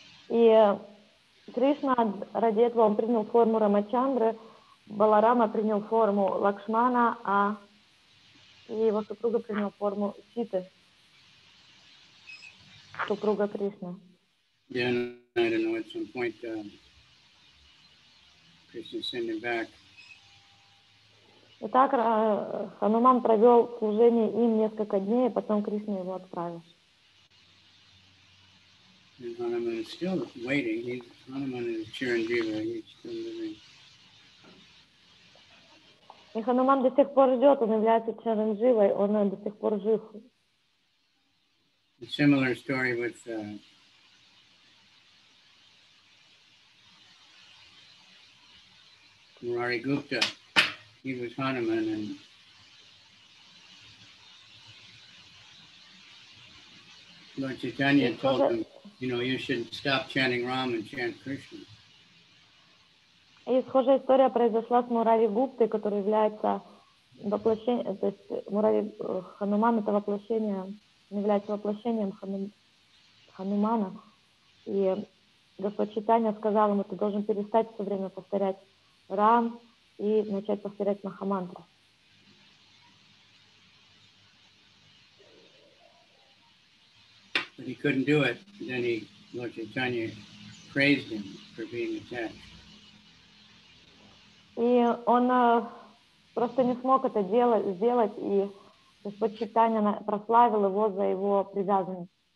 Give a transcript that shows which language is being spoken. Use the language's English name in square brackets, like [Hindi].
[Russian] И Кришна ради этого он принял форму Рамачандры, Баларама принял форму Лакшмана, а его супруга принял форму Ситы, супруга Кришны. [English] Then I don't know, at some point Krishna sent him back. [Russian] Итак, Хануман провел служение им несколько дней, и потом Кришна его отправил. [English] And Hanuman is still waiting. Hanuman is Chiranjeeva. He's still living. [Russian] И Хануман до сих пор ждет. Он является Чирандживой. Он до сих пор жив. [English] Similar story with Murari Gupta. He was Hanuman, and Lord Chaitanya told him, you know, you should stop chanting Ram and chant Krishna. [Russian] И схожая история произошла с Мурари Гуптой, который является воплощением, то есть Мурари Хануман это воплощение, является воплощением Ханумана. И Господь Читания сказал ему, ты должен перестать все время повторять Рам и начать повторять Махамантру. [English] But he couldn't do it. Then he, Lord Chaitanya praised him for being attached. [Russian] И он просто не смог это сделать, и Господь Читания прославил его за его привязанность.